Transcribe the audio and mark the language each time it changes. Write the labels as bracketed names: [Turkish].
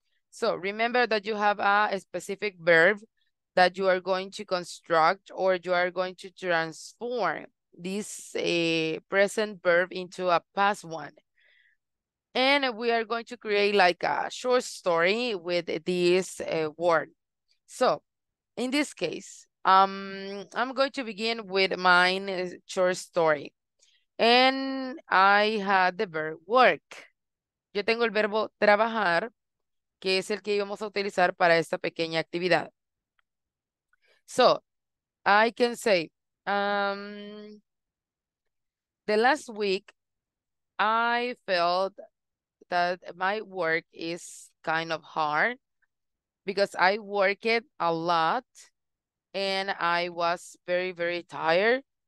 [English] So remember that you have a specific verb that you are going to construct or you are going to transform this present verb into a past one. And we are going to create like a short story with this word. So in this case, I'm going to begin with mine short story. And I had the verb work. [Spanish] Yo tengo el verbo trabajar, que es el que íbamos a utilizar para esta pequeña actividad. [English] So, I can say, the last week, I felt that my work is kind of hard because I worked a lot and I was very, very tired.